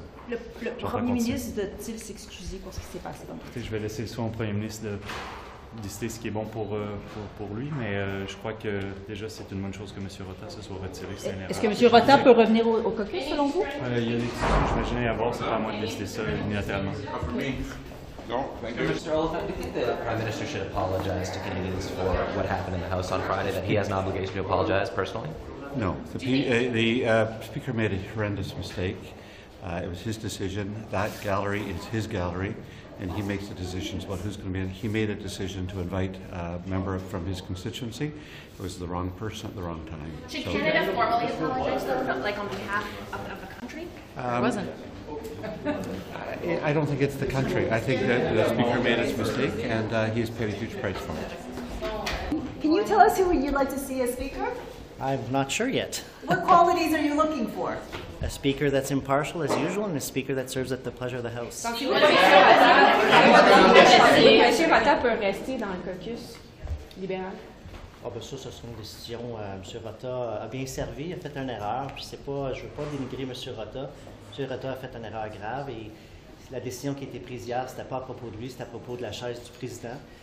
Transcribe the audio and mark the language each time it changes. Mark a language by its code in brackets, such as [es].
[fr] Le premier ministre doit-il s'excuser pour ce qui s'est passé dans le pays? Je vais laisser le soin au premier ministre de décider ce qui est bon pour lui, mais je crois que déjà c'est une bonne chose que M. Rota se soit retiré. Est-ce que M. Rota peut revenir au caucus selon vous? Il y a des questions, j'imagine, à voir, c'est pas à moi de décider ça unilatéralement. [en] Mr. Oliphant, do you think the Prime Minister should apologize to Canadians for what happened in the House on Friday, that he has an obligation to apologize personally? No. The Speaker made a horrendous mistake. It was his decision. That gallery is his gallery, and he makes the decisions about who's going to be in. He made a decision to invite a member from his constituency. It was the wrong person at the wrong time. Should Canada formally apologize, though, like on behalf of the country? It wasn't. I don't think it's the country. I think that the Speaker made his mistake, and he has paid a huge price for it. Can you tell us who you'd like to see as Speaker? I'm not sure yet. What qualities are you looking for? A speaker that's impartial, as usual, and a speaker that serves at the pleasure of the House. [fr] Monsieur Rota peut rester dans le caucus libéral? Ah, bien ça, c'est une décision. M. Rota a bien servi, a fait une erreur. Puis c'est pas, je veux pas dénigrer M. Rota. M. Rota a fait une erreur grave et la décision qui a été prise hier, c'était pas à propos de lui, c'était à propos de la chaise du président.